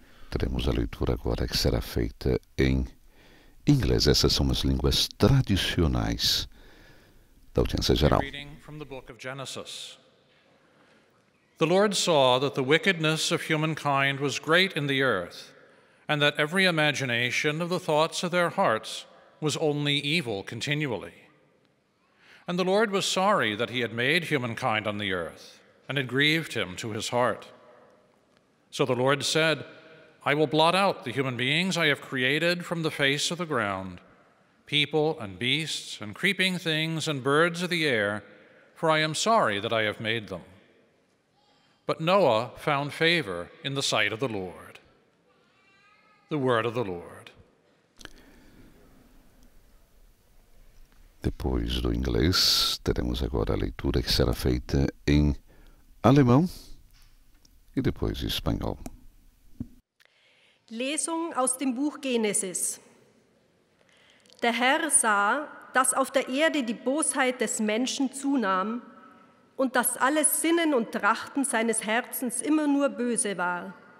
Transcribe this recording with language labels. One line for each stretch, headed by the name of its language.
Portuguese: Teremos a leitura agora que será feita em inglês. Essas são as línguas tradicionais da audiência geral.
English: Reading from the book of Genesis. The Lord saw that the wickedness of humankind was great in the earth, and that every imagination of the thoughts of their hearts was only evil continually. And the Lord was sorry that he had made humankind on the earth, and it grieved him to his heart. So the Lord said, I will blot out the human beings I have created from the face of the ground, people and beasts and creeping things and birds of the air, for I am sorry that I have made them. But Noah found favor in the sight of the Lord. The word of the Lord.
Portuguese: Depois do inglês, teremos agora a leitura que será feita em alemão e depois espanhol.
German: Lesung aus dem Buch Genesis. Der Herr sah, dass auf der Erde die Bosheit des Menschen zunahm und dass alles Sinnen und Trachten seines Herzens immer nur böse war.